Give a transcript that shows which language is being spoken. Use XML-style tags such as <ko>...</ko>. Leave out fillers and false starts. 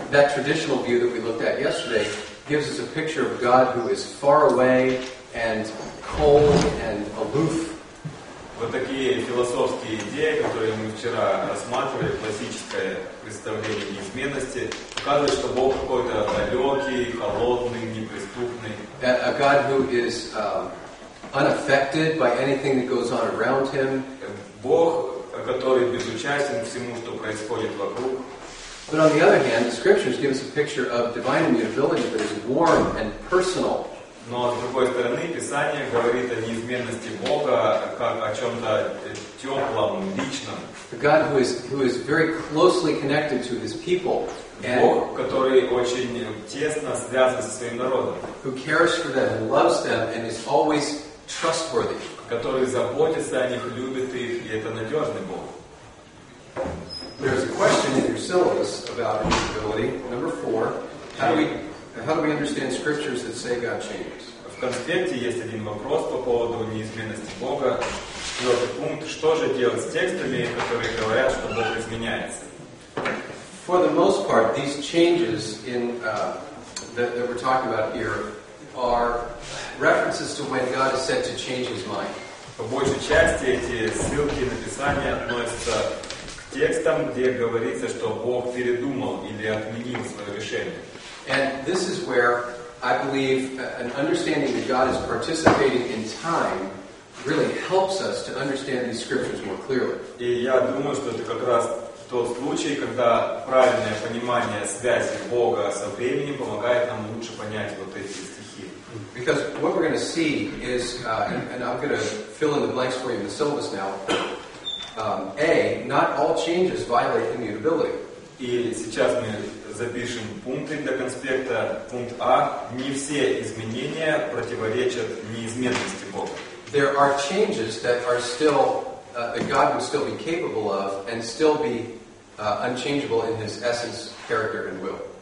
<en>That traditional view that we looked at yesterday gives us a picture of God who is far away and cold and aloof.</en> <ru>Вот такие философские идеи, которые мы вчера рассматривали, классическое представление неизменности, показывает, что Бог какой-то далекий, холодный, неприступный.</ru> <en>A God who is unaffected by anything that goes on around him.</en> <ru>Бог, который безучастен всему, что происходит вокруг.</ru> <en>But on the other hand, the scriptures give us a picture of divine immutability that is warm and personal.</en> <ru>Но с другой стороны, Писание говорит о неизменности Бога как о чем-то теплом, личном.</ru> <en>The God who is very closely connected to his people. And</en> <ru>Бог, который очень тесно связан со своим народом.</ru> <en>Who cares for them, loves them, and is always trustworthy.</en> <ru>Который заботится о них, любит их, и это надежный Бог.</ru> <en>There's a question in your syllabus about immutability, number 4. How do we understand scriptures that say God changes?</en> <ru>В конспекте есть один вопрос по поводу неизменности Бога. Четвертый пункт. Что же делать с текстами, которые говорят, что Бог изменяется?</ru> <en>For the most part, these changes in that we're talking about here are references to when God is said to change his mind.</en> <ru>По большей части эти ссылки на Писание относятся к текстам, где говорится, что Бог передумал или отменил свое решение.</ru> <en>And this is where I believe an understanding that God is participating in time really helps us to understand these scriptures more clearly.</en> <ru>И я думаю, что это как раз тот случай, когда правильное понимание связи Бога со временем помогает нам лучше понять вот эти стихи.</ru> <en>Because what we're going to see is, and I'm going to fill in the blanks for you in the syllabus now, A, not all changes violate immutability.</en> <ru>И сейчас мы запишем пункты для конспекта. Пункт А. Не все изменения противоречат неизменности Бога.</ru> <en>There are changes that are still that God would still be capable of and still be unchangeable in his essence, character and will.</en>